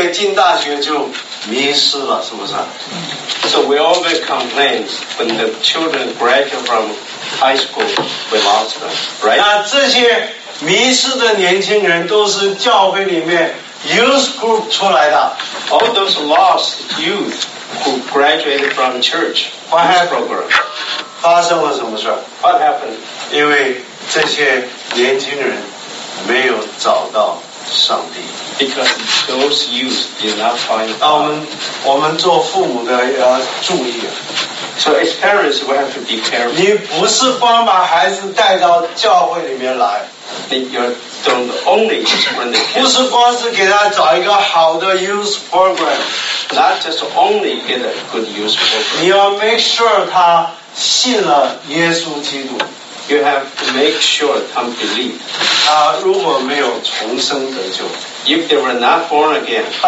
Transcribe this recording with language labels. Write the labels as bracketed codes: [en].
[zh] 我们走遍天下到处去教会人都在抱怨一件事就是说孩子高中毕业进大学就迷失了是不是 [en] So we always complain when the children graduate from High school, we lost them, right? [zh] 那这些迷失的年轻人都是教会里面 youth group 出来的 [en] All those lost youth who graduated from church program. [zh] 发生了什么事 [en] What happened? [zh] 因为这些年轻人没有找到上帝 [en] Because those youth did not find God [zh] 我们做父母的要注意 [en] So as parents, we have to be careful. [zh] 你不是光把孩子带到教会里面来。 [en] You don't only bring the kids. [zh] 不是光是给他找一个好的 youth program. [en] Not just only get a good youth program. [zh] 你要 [en] make sure [zh] 他信了耶稣基督。 [en] You have to make sure 他 believe. [zh] 他如果没有重生得救。 [en] If they were not born again,